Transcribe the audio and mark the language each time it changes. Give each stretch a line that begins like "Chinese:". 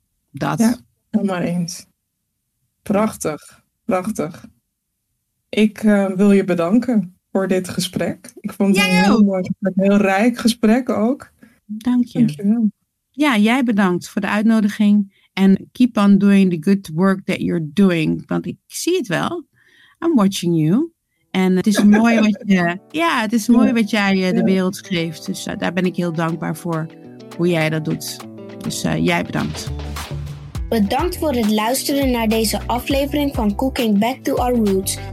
Dutch: Dat. Ja, maar eens. Prachtig. Prachtig. Ik wil je bedanken voor dit gesprek. Ik vond het een heel mooi gesprek. Een heel rijk gesprek ook. Dank je. Ja, jij bedankt voor de uitnodiging.
English: En keep on doing the good work that you're doing.
Dutch: Want ik zie het wel.
English: I'm watching you.
Dutch: En het is mooi wat jij de wereld geeft. Dus daar ben ik heel dankbaar voor. Hoe jij dat doet. Dus jij bedankt. Bedankt voor het luisteren naar deze aflevering van Cooking Back to Our Roots.